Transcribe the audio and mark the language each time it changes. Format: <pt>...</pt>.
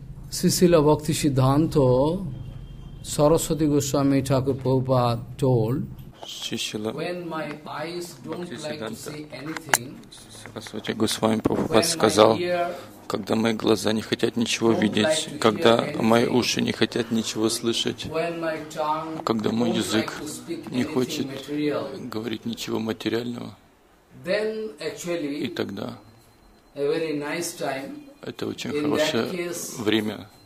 <en>Сисила Бхакти Сиддханта Сарасвати Госвами Чакур Прабхупад told, Шишила, when my eyes don't like to see anything,</en> <ru>Сарасвати Госвами Прабхупад сказал, когда мои глаза не хотят ничего видеть, когда мои уши не хотят ничего слышать, когда мой язык не хочет говорить ничего материального, и тогда это очень хорошее время.</ru>